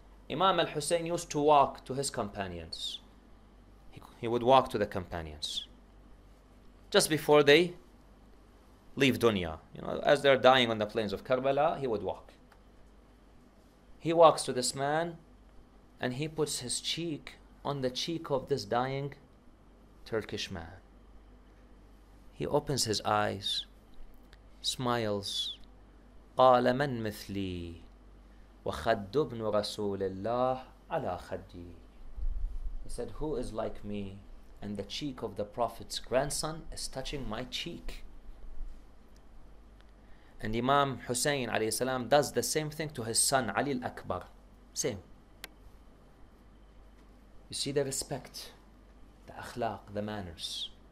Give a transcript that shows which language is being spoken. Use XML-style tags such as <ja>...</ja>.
<en>Imam al-Hussein used to walk to his companions. He would walk to the companions just before they leave dunya. You know, as they're dying on the plains of Karbala, he would walk. He walks to this man and he puts his cheek on the cheek of this dying Turkish man. He opens his eyes, smiles.</en> <ar>قال من مثلي وخد ابن رسول الله على خدي.</ar> <en>He said, who is like me? And the cheek of the Prophet's grandson is touching my cheek. And Imam Hussain alayhi salam does the same thing to his son Ali al-Akbar. Same. You see the respect, the akhlaq, the manners.</en>